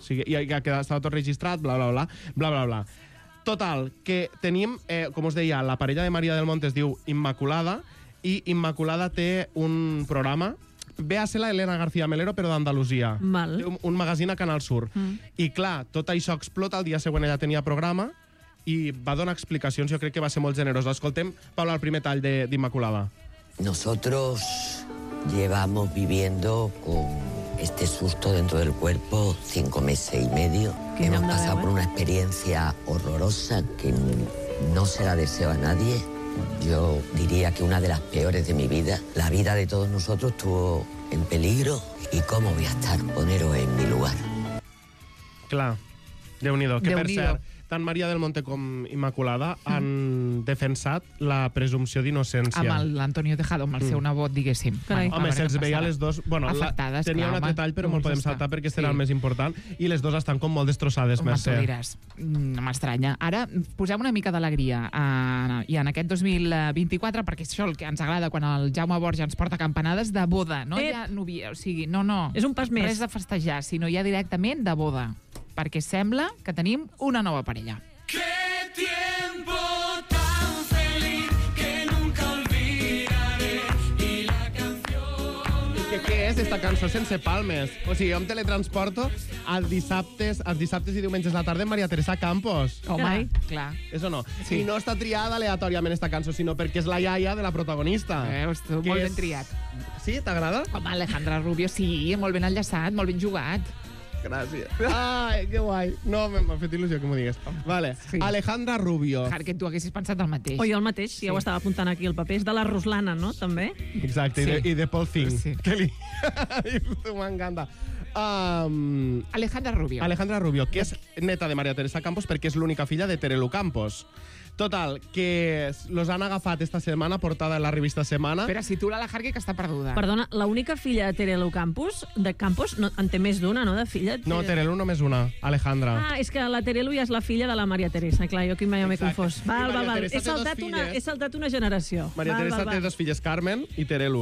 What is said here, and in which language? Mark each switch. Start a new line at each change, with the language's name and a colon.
Catalan: sigui, i que estava tot registrat, bla, bla, bla, bla, bla, bla. Total, que tenim, com us deia, la parella de María del Monte es diu Immaculada, i Immaculada té un programa... Ve a ser la Elena García Melero, però d'Andalusia. Un magazín a Canal Sur. I clar, tot això explota el dia següent, ella tenia programa i va donar explicacions, jo crec que va ser molt generós. Escoltem, Paula, el primer tall d'Immaculada.
Spanish: Nosotros llevamos viviendo con este susto dentro del cuerpo 5 meses y medio.
Catalan: Quina
Spanish: hemos pasado por una experiencia horrorosa que no se la deseo a nadie. Yo diría que una de las peores de mi vida, la vida de todos nosotros, estuvo en peligro. ¿Y cómo voy a estar? Poneros en mi lugar.
Catalan: Clar, Déu-n'hi-do. Que, per cert, tant María del Monte com Immaculada han defensat la presumpció d'innocència. Amb l'Antonio Tejado, amb el seu nebot, diguéssim. Home, se'ls veia les dos... Bueno, afectades, tenia clar, un altre tall, però me'l podem saltar perquè serà el més important. I les dues estan com molt destrossades, Mercè. Home, tu diràs. No m'estranya. Ara posem una mica d'alegria. I en aquest 2024, perquè és això el que ens agrada quan el Jaume Borja ens porta campanades, de boda. No hi ha novia, o sigui, no. És un pas més. Res de festejar, sinó ja directament de boda. Perquè sembla que tenim una nova parella.
Spanish: ¡Qué tiempo tan feliz que nunca olvidaré! Y la canción...
Catalan: I què és esta cançó sense palmes? O sigui, jo em teletransporto els dissabtes i diumenges a la tarda amb María Teresa Campos. Home, clar. És o no? Sí. I no està triada aleatòriament esta cançó, sinó perquè és la iaia de la protagonista. Molt ben triat. Sí? T'agrada? Home, Alejandra Rubio, sí, molt ben enllaçat, molt ben jugat. Gràcies. Ai, que guai. No, m'ha fet il·lusió que m'ho digues. Vale. Sí. Alejandra Rubio. Clar, que tu haguessis pensat el mateix. O jo el mateix, si ja ho estava apuntant aquí el paper. És de la Ruslana, no?, també. Exacte, sí. I de Paul Fink. Sí. Que li... M'encanta. Alejandra Rubio. Alejandra Rubio, que és neta de María Teresa Campos perquè és l'única filla de Terelu Campos. Total, que los han agafat esta setmana, portada en la revista Semana. Espera, situa la Jargue, que està perduda. Perdona, l'única filla de Terelu Campos, no, en té més d'una, no?, de filla. No, Terelu només una, Alejandra. Ah, és que la Terelu ja és la filla de la María Teresa, clar, jo aquí mai m'he confós. Val. He saltat una generació. María Teresa té dos filles, Carmen i Terelu.